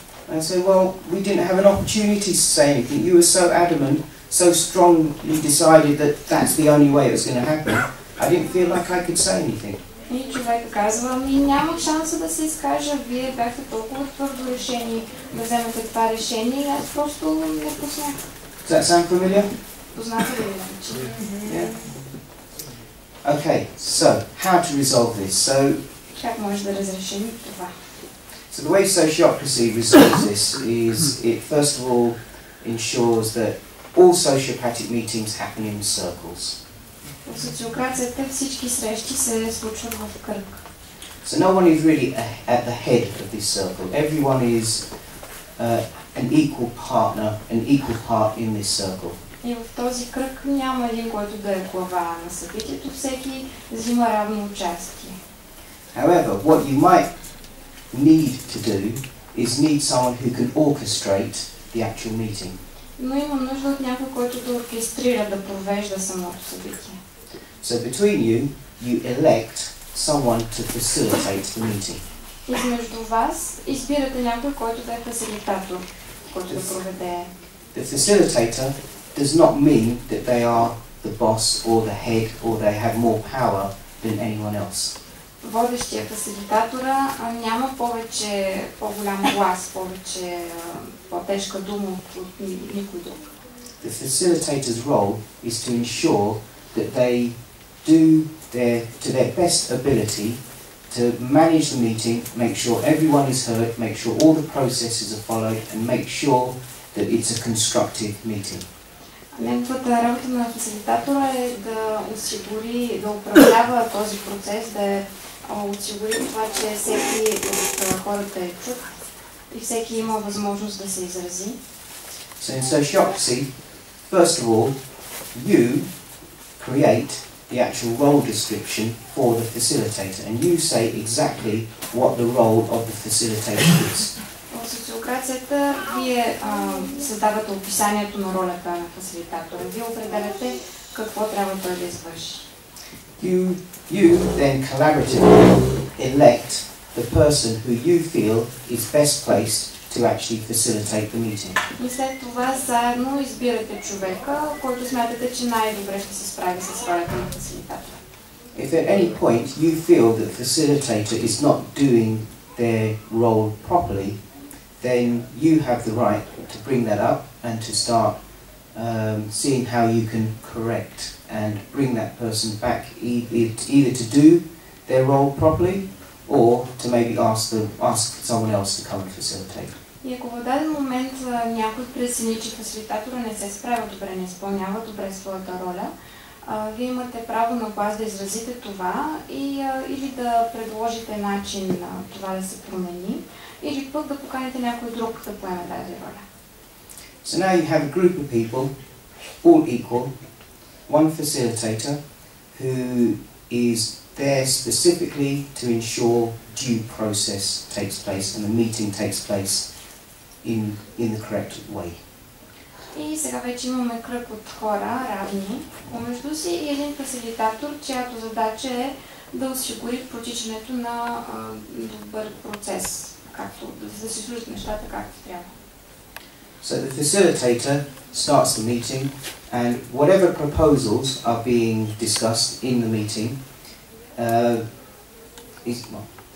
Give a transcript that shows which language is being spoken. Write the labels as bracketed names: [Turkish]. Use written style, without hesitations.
[English] And I say, well, we didn't have an opportunity to say anything. You were so adamant, so strongly decided that that's the only way it was going to happen. I didn't feel like I could say anything. [Bulgarian] И човек казва, ми няма шанса да се изкажа, вие бяхте толкова твърдо решени да вземете това решение, аз просто не познах. [English] Does that sound familiar? [Bulgarian] Познато ли ви? [English] Okay, so how to resolve this? So, [Bulgarian] как може да разрешим това? [English] So the way sociocracy resolves this is it first of all ensures that all sociopathic meetings happen in circles. [Bulgarian] Социокрацията всички срещи се случват в кръг. [English] So no one is really at the head of this circle. Everyone is an equal partner, an equal part in this circle. [Bulgarian] И в този кръг няма един, който да е глава на събитието, всеки взима равно участие. [English] However, what you might need to do is need someone who can orchestrate the actual meeting. [Bulgarian] Но има нужда от някой, който да оркестрира, да провежда самото събитие. [English] So between you, you elect someone to facilitate the meeting. [Bulgarian] Измежду вас избирате някой, който да е фасилитатор, който да проведе. [English] The facilitator does not mean that they are the boss or the head or they have more power than anyone else. [Bulgarian] Водещият фасилитатор няма повече по-голям глас, повече по-тежка дума от никой друг. [English] The facilitator's role is to ensure that they do their to their best ability to manage the meeting, make sure everyone is heard, make sure all the processes are followed and make sure that it's a constructive meeting. [Bulgarian] Неговата работа на фасилитатора е да осигури, да управлява този процес, да осигури това, че всеки от хората е чук и всеки има възможност да се изрази. [English] So in sociocracy, first of all, you create the actual role description for the facilitator, and you say exactly what the role of the facilitator is. [Bulgarian] В социокрацията вие създавате описанието на ролята на фасилитатора. Вие определяте какво трябва той да извърши. [English] You then collaboratively elect the person who you feel is best placed to actually facilitate the meeting. [Bulgarian] И след това заедно избирате човека, който смятате, че най-добре ще се справи с ролята на фасилитатора. [English] If at any point you feel that the facilitator is not doing their role properly, then you have the right to bring that up and to start seeing how you can correct and bring that person back either to do their role properly or to maybe ask someone else to come and facilitate. [Bulgarian] И ако в даден момент някой прецени, че фасилитатора не се справя добре, не изпълнява добре своята роля, вие имате право на глас да изразите това и или да предложите начин на това да се промени, или пък да поканите някой друг да поеме тази роля. [English] So now you have a group of people, all equal, one facilitator who is there specifically to ensure due process takes place and the meeting takes place in the correct way. [Bulgarian] И сега вече имаме кръг от хора, равни помежду си, и един фасилитатор, чиято задача е да осигури протичането на добър процес, както да се случат нещата както трябва. [English] So the facilitator starts the meeting, and whatever proposals are being discussed in the meeting is well.